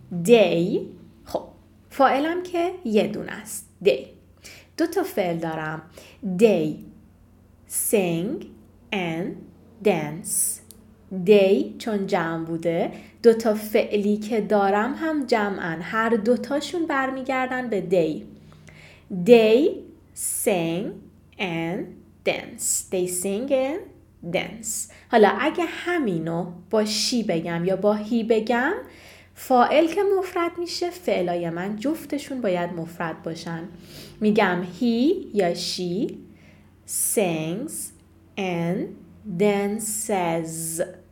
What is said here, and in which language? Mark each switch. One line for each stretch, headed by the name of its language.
Persian: They، خب فاعلم که یه دونه است، they، دو تا فعل دارم،
English: they sing and dance. they
Persian: چون جمع بوده، دو تا فعلی که دارم هم جمعن، هر دو تاشون برمیگردن به they.
English: they sing and dance، they sing and dance.
Persian: حالا اگه همینو با she بگم یا با he بگم، فاعل که مفرد میشه، فعلای من جفتشون باید مفرد باشن. میگم
English: he
Persian: یا
English: she sings and dances.